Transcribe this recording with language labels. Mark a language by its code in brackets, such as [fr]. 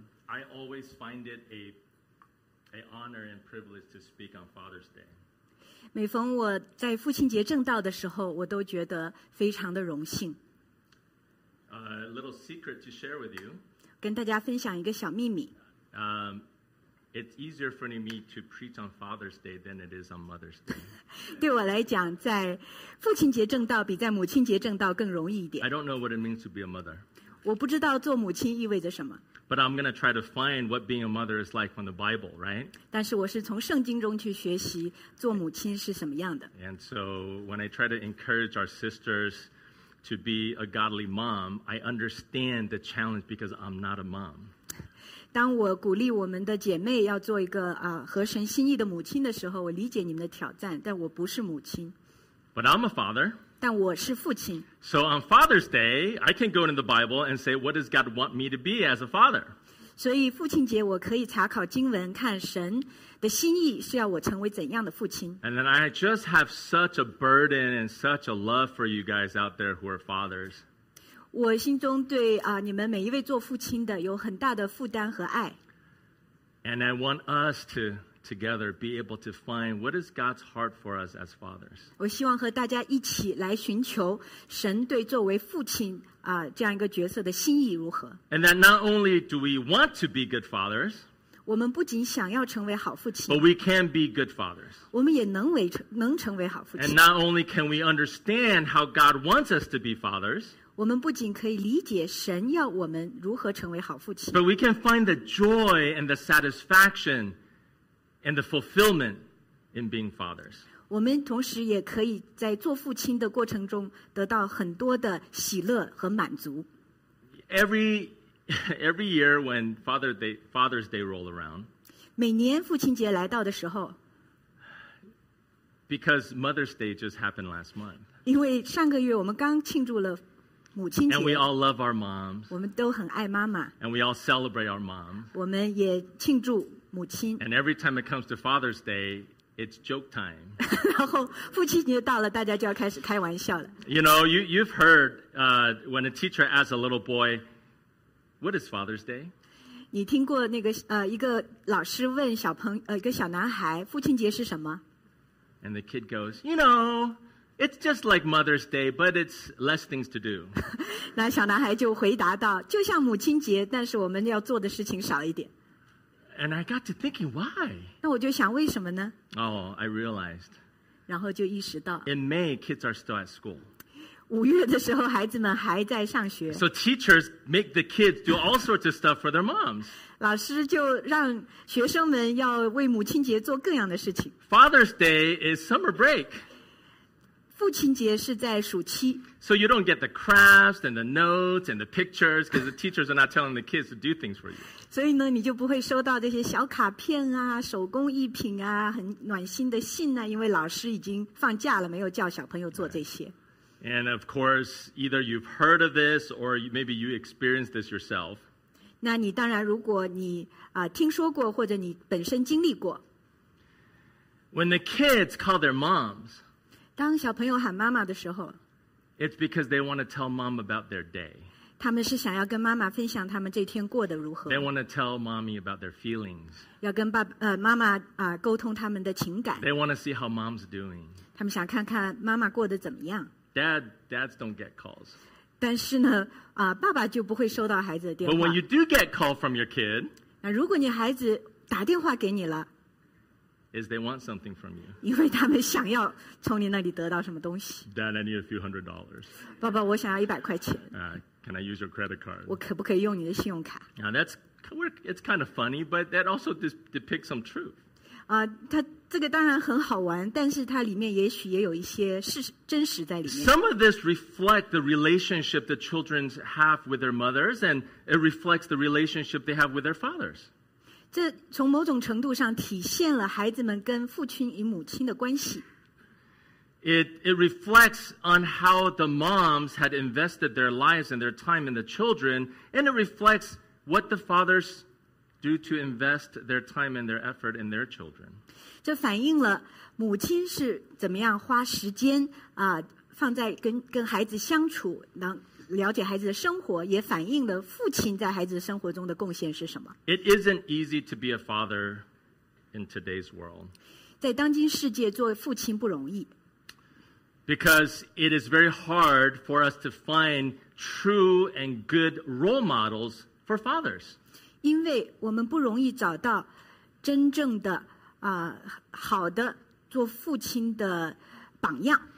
[en] I always find it a honor and privilege to speak on Father's Day. [zh] 每逢我在父亲节正道的时候，我都觉得非常的荣幸。 [en] A little secret to share with you. [zh] 跟大家分享一个小秘密。 [en] It's easier for me to preach on Father's Day than it is on Mother's Day. [zh] 对我来讲，在父亲节正道比在母亲节正道更容易一点。 [en] I don't know what it means to be a mother. [zh] 我不知道做母亲意味着什么。 [en] But I'm going to try to find what being a mother is like from the Bible, right? [zh] 但是我是从圣经中去学习做母亲是什么样的。 [en] And so when I try to encourage our sisters to be a godly mom, I understand the challenge because I'm not a mom. [zh] 当我鼓励我们的姐妹要做一个合神心意的母亲的时候，我理解你们的挑战，但我不是母亲。 [en] But I'm a father. [zh] 但我是父亲。 [en] So on Father's Day, I can go into the Bible and say, what does God want me to be as a father? [zh] 所以父亲节我可以查考经文，看神的心意是要我成为怎样的父亲。 [en] And then I just have such a burden and such a love for you guys out there who are fathers. [zh] 我心中对你们每一位做父亲的有很大的负担和爱。 [en] And I want us to... together be able to find what is God's heart for us as fathers. [zh] 我希望和大家一起来寻求神对作为父亲这样一个角色的心意如何。 [en] And that not only do we want to be good fathers, [zh] 我们不仅想要成为好父亲， [en] but we can be good fathers. [zh] 我们也能成为好父亲。 [en] And not only can we understand how God wants us to be fathers, [zh] 我们不仅可以理解神要我们如何成为好父亲， [en] but we can find the joy and the satisfaction. And the fulfillment in being fathers. [zh] 我们同时也可以在做父亲的过程中得到很多的喜乐和满足。 [en] Every year when Father's Day roll around, [zh] 每年父亲节来到的时候， [en] because Mother's Day just happened last month. [zh] 因为上个月我们刚庆祝了 [en] And we all love our moms. [zh] 我们都很爱妈妈。 [en] And we all celebrate our moms. [zh] 我们也庆祝母亲。 [en] And every time it comes to Father's Day, it's joke time. [zh] 然后父亲节到了，大家就要开始开玩笑了。 [en] You know, you've heard when a teacher asks a little boy, "What is Father's Day?" [zh] 你听过那个一个老师问小朋一个小男孩父亲节是什么 [en] ？And the kid goes, "You know." It's just like Mother's Day, but it's less things to do. [zh] 那小男孩就回答道，就像母亲节，但是我们要做的事情少一点。 [en] And I got to thinking, why? [zh] 那我就想为什么呢？ [en] Oh, I realized. [zh] 然后就意识到。 [en] In May, kids are still at school. [zh] 五月的时候，孩子们还在上学。 [en] So teachers make the kids do all sorts of stuff for their moms. [zh] 老师就让学生们要为母亲节做各样的事情。 [en] Father's Day is summer break. [zh] 父亲节是在暑期。 [en] So you don't get the crafts and the notes and the pictures because the teachers are not telling the kids to do things for you. [zh] 所以呢，你就不会收到这些小卡片啊、手工艺品啊、很暖心的信啊，因为老师已经放假了，没有叫小朋友做这些。 [en] And of course, either you've heard of this or maybe you experienced this yourself. [zh] 那你当然，如果你听说过或者你本身经历过。 [en] When the kids call their moms. [zh] 当小朋友喊妈妈的时候 [en] ，It's because they want to tell mom about their day. [zh] 他们是想要跟妈妈分享他们这天过得如何。 [en] They want to tell mommy about their feelings. [zh] 要跟妈妈沟通他们的情感。 [en] They want to see how mom's doing. [zh] 他们想看看妈妈过得怎么样。 [en] Dads don't get calls. [zh] 但是呢，爸爸就不会收到孩子的电话。 [en] But when you do get call from your kid, [zh] 那如果你孩子打电话给你了。 [en] Is they want something from you? [zh] 因为他们想要从你那里得到什么东西。 [en] Dad, I need a few hundred dollars. [zh] 爸爸，我想要100块钱。 [en] Can I use your credit card? [zh] 我可不可以用你的信用卡？ [en] Now it's kind of funny, but that also depicts some truth. [zh] 它这个当然很好玩，但是它里面也许也有一些真实在里面。 [en] Some of this reflect the relationship the children have with their mothers, and it reflects the relationship they have with their fathers. [zh] 这从某种程度上体现了孩子们跟父亲与母亲的关系。 [en] It reflects on how the moms had invested their lives and their time in the children, and it reflects what the fathers do to invest their time and their effort in their children. [zh] 这反映了母亲是怎么样花时间啊，放在跟孩子相处，能了解孩子的生活，也反映了父亲在孩子生活中的贡献是什么。 [en] It isn't easy to be a father in today's world. [zh] 在当今世界做父亲不容易。 [en] Because it is very hard for us to find true and good role models for fathers. [zh] 因为我们不容易找到真正的好的做父亲的榜样。